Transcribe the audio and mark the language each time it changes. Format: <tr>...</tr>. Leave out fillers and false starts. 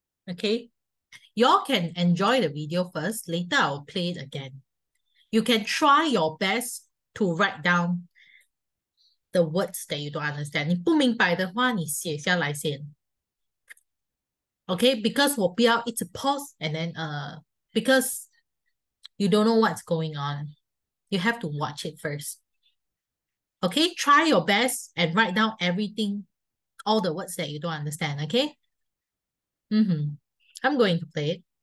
<en>Okay, y'all can enjoy the video first. Later, I'll play it again. You can try your best to write down the words that you don't understand.</en> <zh>你不明白的话，你写下来先.</zh> <en>Okay, because</en> <zh>我不要一直</zh> <en>pause and then because you don't know what's going on, you have to watch it first. Okay, try your best and write down everything, all the words that you don't understand. Okay. I'm going to play it.</en>